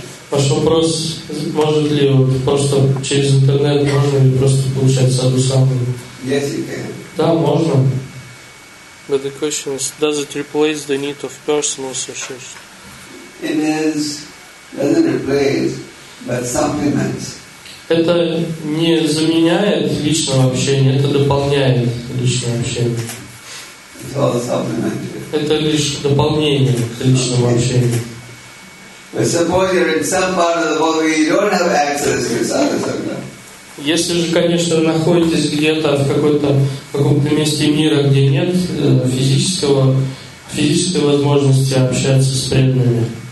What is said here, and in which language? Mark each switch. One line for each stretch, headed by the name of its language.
Russian: Ваш вопрос, может ли просто через интернет можно ли просто получать саду саму?
English: Yes, you can.
Russian: Да, можно.
English: But the question is, does it replace the need of personal association? It is, doesn't replace, but supplements.
Russian: Это не заменяет личное общение, это дополняет личное общение.
English: It's all supplementary.
Russian: Это лишь дополнение к личному общению.
English: Suppose you're in some part of the world where you don't have access to sadhusanga.
Russian: Если же, конечно, вы находитесь где-то в каком-то месте мира, где нет физического физической возможности общаться с преданными.